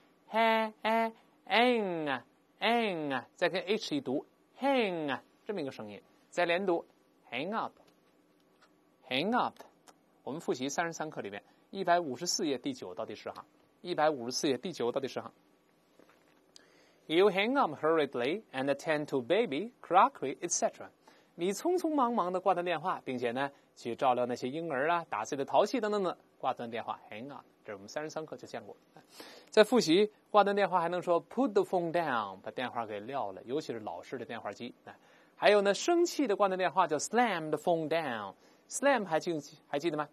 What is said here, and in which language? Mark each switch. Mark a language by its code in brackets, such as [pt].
[zh] h a n a n 啊，再跟 h 一读 hang 啊，这么一个声音，再连读 hang up hang up。我们复习33课里面154页第九到第十行，154页第九到第十行。 [en] You hang up hurriedly and attend to baby, crockery, etc. [zh] 你匆匆忙忙地挂断电话，并且呢去照料那些婴儿啊、打碎的陶器等等的。挂断电话 ，hang up， 这是我们33课就见过。在复习挂断电话，还能说 [en] put the phone down， [zh] 把电话给撂了，尤其是老式的电话机。还有呢，生气的挂断电话叫 [en] slam the phone down。 [zh] slam 还记得吗？